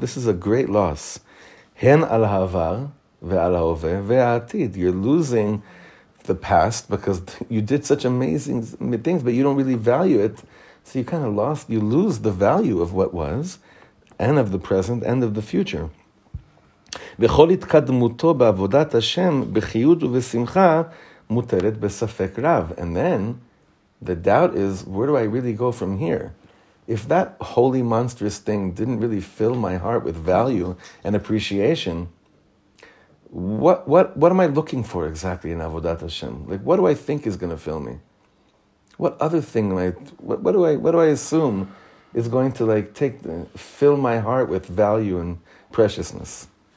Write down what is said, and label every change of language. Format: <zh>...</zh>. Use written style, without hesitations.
<en>This is a great loss.</en> <he>Hen al ha'avar ve'al ha'ove ve'atid.</he> <en>You're losing the past because you did such amazing things, but you don't really value it. So you kind of lost, you lose the value of what was, and of the present, and of the future.</en> <he>וכל התקדמותו בעבודת השם, בחיות ובשמחה, מותרת בספק רב.</he> <en>And then, The doubt is, where do I really go from here? If that holy, monstrous thing didn't really fill my heart with value and appreciation, what am I looking for exactly in Avodat Hashem? Like, what do I think is going to fill me? What other thing am I, what do I assume is going to like fill my heart with value and preciousness?</en>